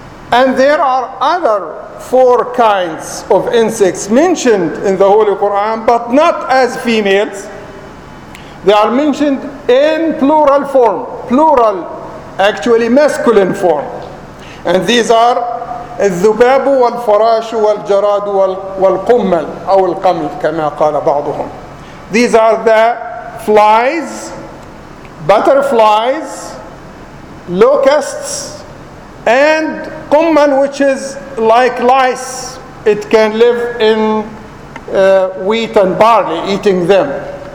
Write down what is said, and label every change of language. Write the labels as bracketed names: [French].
[English] And there are other 4 kinds of insects mentioned in the Holy Quran, but not as females. They are mentioned in plural form, plural, actually masculine form. And these are [Arabic] الذباب والفراش والجراد والقمل أو القمل كما قال بعضهم. [English] These are the flies, butterflies, locusts, and قمل, which is like lice. It can live in wheat and barley, eating them.